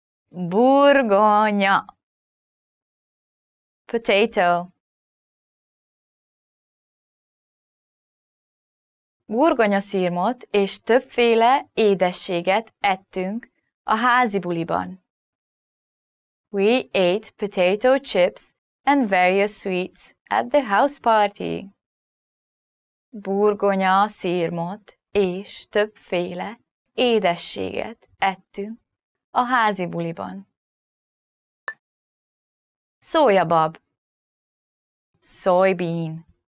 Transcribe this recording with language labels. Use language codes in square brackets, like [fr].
[hu] Burgonya. [en] Potato. [hu] Burgonyaszirmot és többféle édességet ettünk a házi buliban. [en] We ate potato chips and various sweets at the house party. [hu] Burgonyaszirmot és többféle édességet ettünk a házi buliban. Szójabab. [en] Soybean.